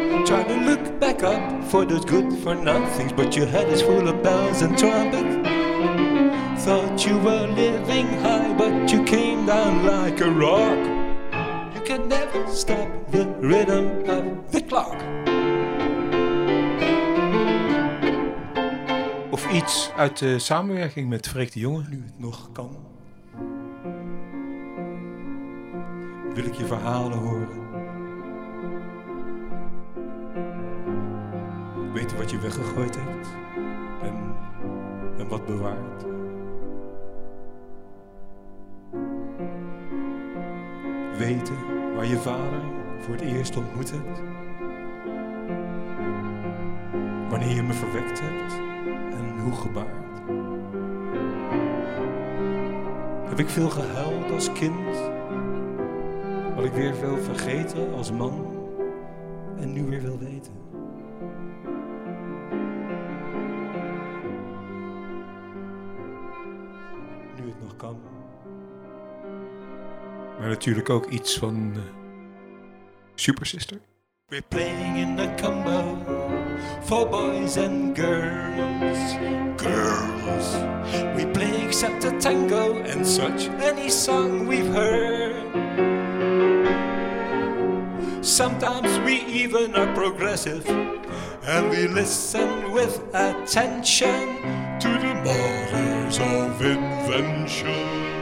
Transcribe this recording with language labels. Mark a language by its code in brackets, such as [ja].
[en] Try to look back up for those good for nothings, but your head is full of bells and trumpets. Thought you were living high, but you came down like a rock. You can never stop the rhythm of the clock. [nl] Of iets uit de samenwerking met Freek de Jonge. Nu het nog kan, wil ik je verhalen horen. Weten wat je weggegooid hebt en wat bewaard. Weten waar je vader voor het eerst ontmoet hebt. Wanneer je me verwekt hebt en hoe gebaard. Heb ik veel gehuild als kind? Wat ik weer veel vergeten als man en nu weer wil weten. Nu het nog kan. Maar natuurlijk ook iets van Super Sister. [en] We're playing in a combo for boys and girls. Girls. We play except a tango and such any song we've heard. Sometimes we even are progressive and we listen with attention to the mothers of invention.